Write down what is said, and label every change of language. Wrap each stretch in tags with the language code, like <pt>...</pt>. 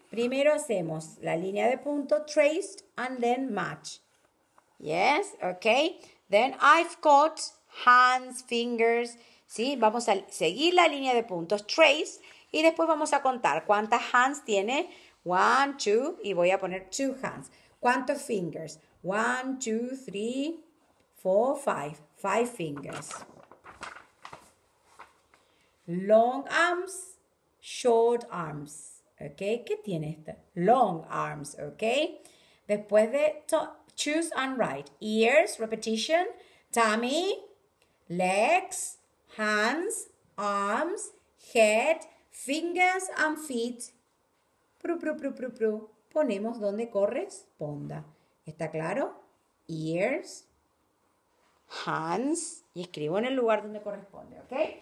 <es>Primero hacemos la línea de punto,</es> <en>traced, and then match. Yes, okay. Then I've got hands, fingers.</en> <es>Sí, vamos a seguir la línea de puntos, trace, y después vamos a contar cuántas hands tiene.</es> <en>One, two,</en> <es>y voy a poner two hands. ¿Cuántos fingers?</es> <en>One, two, three, four, five. Five fingers. Long arms, short arms. ¿Ok?</en> <es>¿Qué tiene esta?</es> <en>Long arms, ¿ok?</en> <es>Después de</es> <en>choose and write. Ears, repetition, tummy, legs, hands, arms, head, fingers and feet. Pru, pru, pru, pru, pru.</en> <es>Ponemos donde corresponda. ¿Está claro? Ears, hands. Y escribo en el lugar donde corresponde, ¿ok?</es>